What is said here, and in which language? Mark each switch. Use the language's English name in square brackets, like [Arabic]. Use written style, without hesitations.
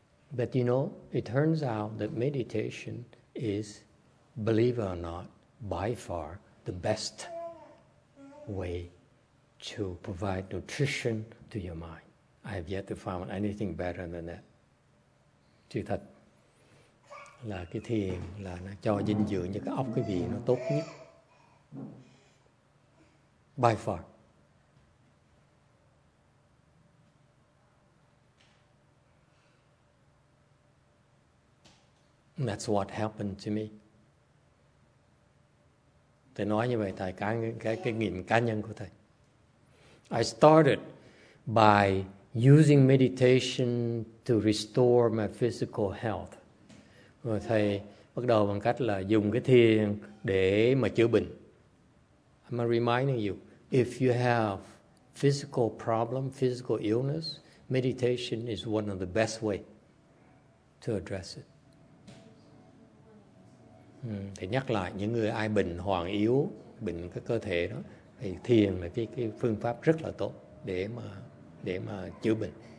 [English] But you know, it turns out that meditation is, believe it or not, by far the best way to provide nutrition to your mind. I have yet to find anything better than that. [Vietnamese] Chứ thật là cái thiền là nó cho dinh dưỡng cho cái óc cái vị nó tốt nhất. [English] By far. That's what happened to me. [Vietnamese] Thầy nói như vậy tại cái nghiệm cá nhân của thầy. [English] I started by using meditation to restore my physical health. [Vietnamese] Rồi thầy bắt đầu bằng cách là dùng cái thiền để mà chữa bệnh. [English] I'm reminding you, if you have physical problem, physical illness, meditation is one of the best way to address it. [Vietnamese] Thì nhắc lại những người ai bệnh hoàn yếu, bệnh cái cơ thể đó, thì thiền là cái phương pháp rất là tốt để mà chữa bệnh.